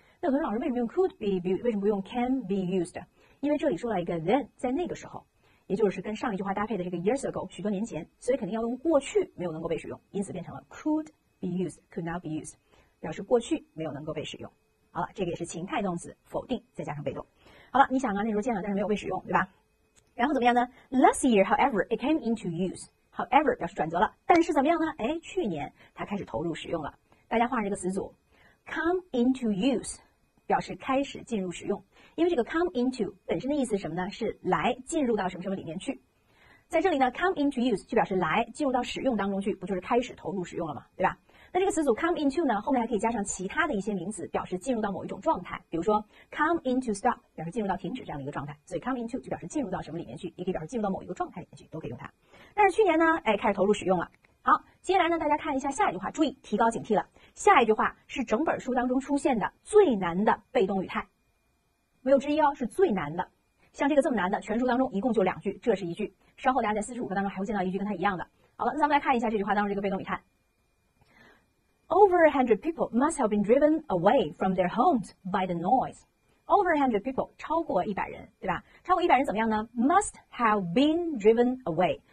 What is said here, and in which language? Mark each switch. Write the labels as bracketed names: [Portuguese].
[Chinese] 那有同学老师为什么用 [English] could be used， [Chinese] 为什么不用 [English] can be used？ [Chinese] 因为这里说了一个 then， 在那个时候，也就是跟上一句话搭配的这个 years ago， 许多年前，所以肯定要用过去，没有能够被使用，因此变成了 could be used， [English] could not be used， [Chinese] 表示过去没有能够被使用。好了，这个也是情态动词否定再加上被动。好了，你想啊，那时候建了但是没有被使用对吧，然后怎么样呢？ [English] last year however it came into use， [Chinese] however 表示转折了，但是怎么样呢？哎，去年它开始投入使用了。大家画上这个词组 [English] come into use， [Chinese] 表示开始进入使用，因为这个 come into 本身的意思是什么呢？是来进入到什么什么里面去，在这里呢 [English] come into use [Chinese] 就表示来进入到使用当中去，不就是开始投入使用了吗对吧。那这个词组 come into 呢，后面还可以加上其他的一些名词，表示进入到某一种状态，比如说 [English] come into stop [Chinese] 表示进入到停止这样的一个状态，所以 come into 就表示进入到什么里面去，也可以表示进入到某一个状态里面去，都可以用它。但是去年呢，哎，开始投入使用了。好，接下来呢大家看一下下一句话，注意提高警惕了，下一句话是整本书当中出现的最难的被动语态，没有之一哦，是最难的。像这个这么难的全书当中一共就两句，这是一句，稍后大家在45课当中还会见到一句跟它一样的。好了，那咱们来看一下这句话当中这个被动语态， [English] Over 100 people must have been driven away from their homes by the noise. Over 100 people, [Chinese] 超过100人，对吧？超过100人怎么样呢？ [English] Must have been driven away.